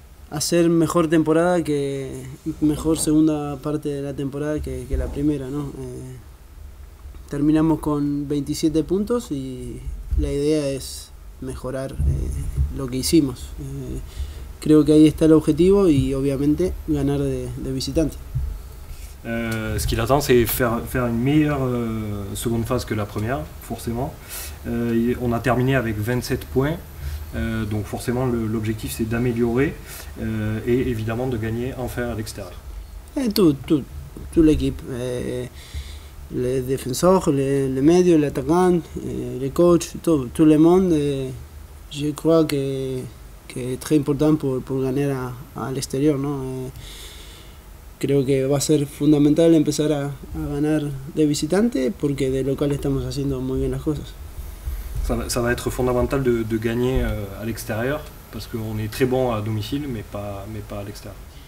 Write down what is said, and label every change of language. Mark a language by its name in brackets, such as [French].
[Spanish] Hacer mejor temporada que mejor segunda parte de la temporada que la primera, ¿no? Terminamos con 27 puntos y la idea es mejorar lo que hicimos. Creo que ahí está el objetivo y obviamente ganar de visitante. [French] Ce qu'il attend, c'est faire une meilleure seconde phase que la première, forcément. On a terminé avec 27 points, donc forcément l'objectif c'est d'améliorer et évidemment de gagner enfin à l'extérieur. Toute l'équipe, les défenseurs, les médias, les attaquants, les coachs, tout le monde, je crois que est très important pour gagner à l'extérieur. [Spanish] No? Creo que va a ser fundamental empezar a ganar de visitante porque de local estamos haciendo muy bien las cosas. [French] Ça va être fondamental de gagner à l'extérieur parce qu'on est très bon à domicile mais pas à l'extérieur.